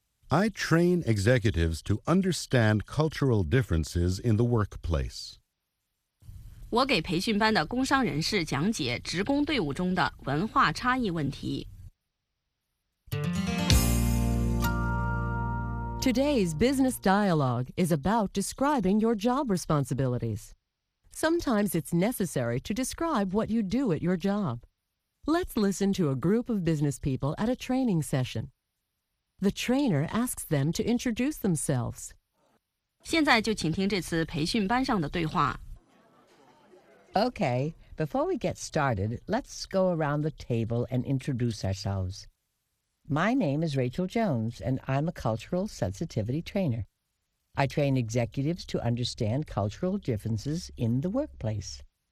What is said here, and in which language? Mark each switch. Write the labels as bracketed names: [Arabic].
[English] I train executives to understand cultural differences in the workplace. [Chinese] 我给培训班的工商人士讲解职工队伍中的文化差异问题。 [English] Today's business dialogue is about describing your job responsibilities. Sometimes it's necessary to describe what you do at your job. Let's listen to a group of business people at a training session. The trainer asks them to introduce themselves. [Chinese] 现在就请听这次培训班上的对话。 [English] Okay, before we get started, let's go around the table and introduce ourselves. My name is Rachel Jones, and I'm a cultural sensitivity trainer. I train executives to understand cultural differences in the workplace.